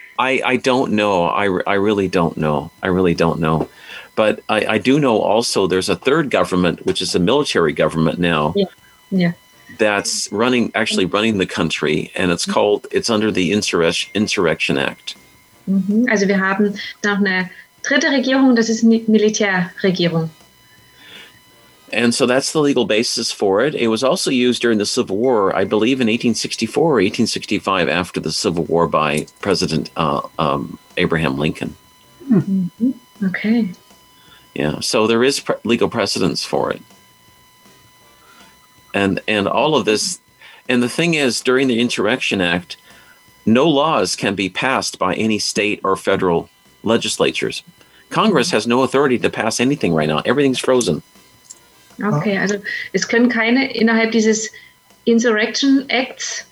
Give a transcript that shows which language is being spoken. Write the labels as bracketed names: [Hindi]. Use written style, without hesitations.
[English] I don't know. I really don't know. I really don't know. But I do know also there's a third government, which is a military government now. That's running the country, and it's under the Insurrection Act. Mm-hmm. [German] Also wir haben noch eine dritte Regierung, das ist eine Militärregierung. [English] And so that's the legal basis for it. It was also used during the Civil War, I believe in 1864 or 1865 after the Civil War by President Abraham Lincoln. Mm-hmm. Okay. Yeah, so there is legal precedence for it. And all of this, and the thing is, during the Insurrection Act, no laws can be passed by any state or federal legislatures. Congress has no authority to pass anything right now. Everything's frozen. [German] Okay, also es können keine innerhalb dieses Insurrection Acts.